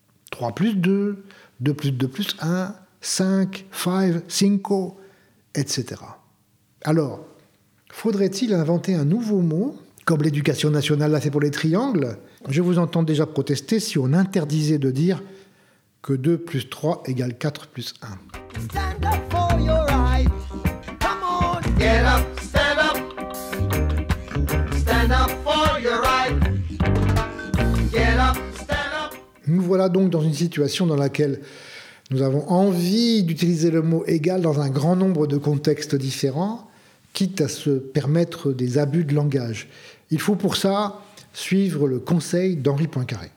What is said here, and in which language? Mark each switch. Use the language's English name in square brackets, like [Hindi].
[French] 3 plus 2, 2 plus 2 plus 1, 5, 5, 5, etc. Alors, faudrait-il inventer un nouveau mot, comme l'éducation nationale l'a fait pour les triangles ? Je vous entends déjà protester si on interdisait de dire que 2 plus 3 égale 4 plus 1. [English] Stand up for your rights. Come on, get up, stand up. Stand up for your rights. Get up, stand up. [French] Nous voilà donc dans une situation dans laquelle nous avons envie d'utiliser le mot égal dans un grand nombre de contextes différents, quitte à se permettre des abus de langage. Il faut pour ça suivre le conseil d'Henri Poincaré.